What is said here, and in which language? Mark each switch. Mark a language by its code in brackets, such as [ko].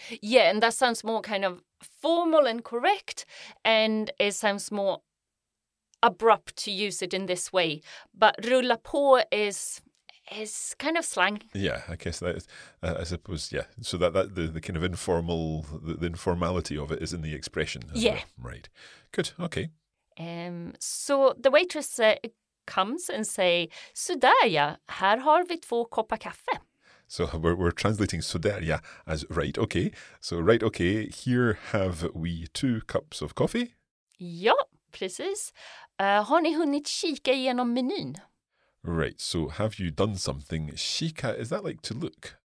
[en] Yeah, and that sounds more kind of formal and correct, and it sounds more abrupt to use it in this way. But rulla på is kind of slang. Yeah, I guess that is, I suppose, yeah. So that the kind of informal, the informality of it is in the expression. Yeah. Well. Right. Good. Okay. So the waitress comes and say, [sv] Sudaya, här har vi två koppar kaffe. [en] So we're translating Sudaya as right, okay. So right, okay, here have we two cups of coffee. [sv] Ja, precis. Har ni hunnit kika igenom menyn? [en] Right, so have you done something? Kika, is that like to look?